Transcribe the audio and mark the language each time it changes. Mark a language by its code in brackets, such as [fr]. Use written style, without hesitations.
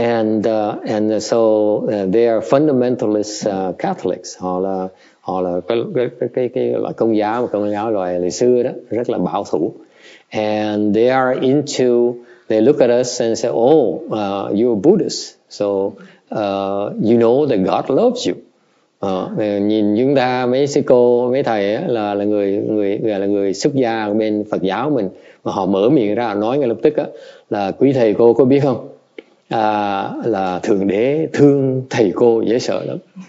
[en] And so they are fundamentalist Catholics. [vi] Họ là cái Công giáo, mà Công giáo loài ngày xưa đó rất là bảo thủ. [en] And they are into, they look at us and say, oh, you're a Buddhist, so you know that God loves you. [vi] Nhìn chúng ta mấy sư cô mấy thầy ấy, là người xuất gia bên Phật giáo mình, mà họ mở miệng ra nói ngay lập tức á là quý thầy cô có biết không, là Thượng Đế thương thầy cô dễ sợ lắm.